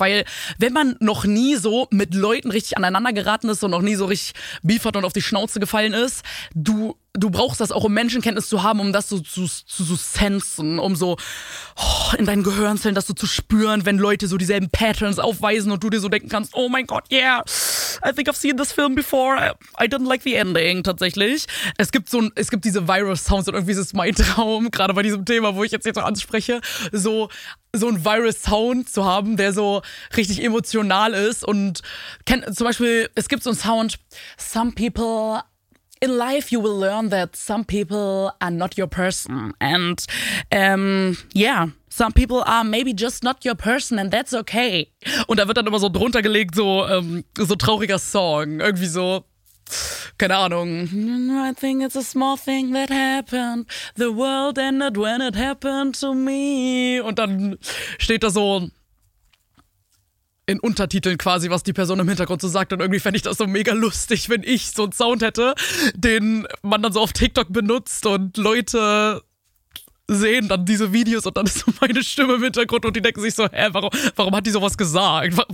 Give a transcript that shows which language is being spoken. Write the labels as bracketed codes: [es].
[de] Weil wenn man noch nie so mit Leuten richtig aneinander geraten ist und noch nie so richtig Beef hat und auf die Schnauze gefallen ist, du brauchst das auch, um Menschenkenntnis zu haben, um das so zu sensen, um so in deinen Gehirnzellen das so zu spüren, wenn Leute so dieselben Patterns aufweisen und du dir so denken kannst, oh mein Gott, [en] yeah, I think I've seen this film before, I didn't like the ending, [de] tatsächlich. Es gibt diese Virus-Sounds und irgendwie ist es mein Traum, gerade bei diesem Thema, wo ich jetzt noch anspreche, so einen Virus-Sound zu haben, der so richtig emotional ist. Und zum Beispiel, es gibt so einen Sound, [en] some people... In life you will learn that some people are not your person and some people are maybe just not your person and that's okay. [de] Und da wird dann immer so drunter gelegt, so trauriger Song, irgendwie so, keine Ahnung. [en] I think it's a small thing that happened, the world ended when it happened to me. [de] Und dann steht da so in Untertiteln quasi, was die Person im Hintergrund so sagt. Und irgendwie fände ich das so mega lustig, wenn ich so einen Sound hätte, den man dann so auf TikTok benutzt und Leute sehen dann diese Videos und dann ist so meine Stimme im Hintergrund und die denken sich so, hä, warum hat die sowas gesagt?